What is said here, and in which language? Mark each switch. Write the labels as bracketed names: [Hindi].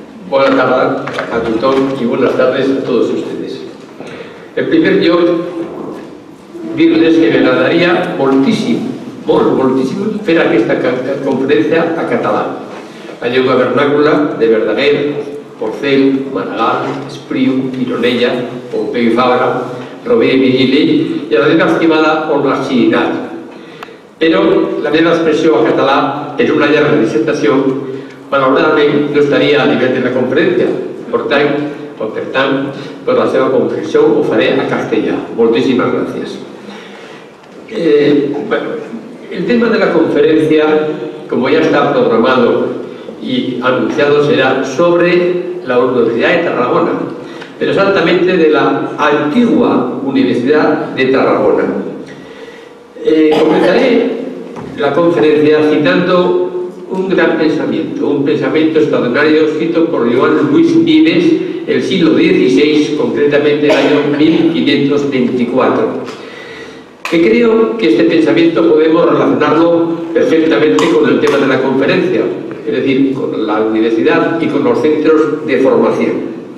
[Spanish] Buenas tardes a todos y buenas tardes a todos ustedes. En primer lugar, [Catalan] dir-les que m'agradaria moltíssim, molt, moltíssim, fer aquesta conferència a català. La llengua vernàcula de Verdaguer, Porcel, Maragall, Espriu, Gironella, Pompeu i Fabra, Rovira i Virgili, i la meva estimada on la xinat. Però la meva expressió a català és una llarga dissertació, malauradament no estaria a nivell de la conferència. Per tant, per la seva comprensió ho faré a castellà. Moltíssimes gràcies. El tema de la conferència, com ja està programat i anunciat, serà sobre la Universitat de Tarragona, però exactament de l'antiga Universitat de Tarragona. Comentaré la conferència [Spanish] citando un gran pensamiento, un pensamiento extraordinario escrito por Joan Luis Vives el siglo XVI, concretamente el año 1524. Que creo que este pensamiento podemos relacionarlo perfectamente con el tema de la conferencia, es decir, con la universidad y con los centros de formación.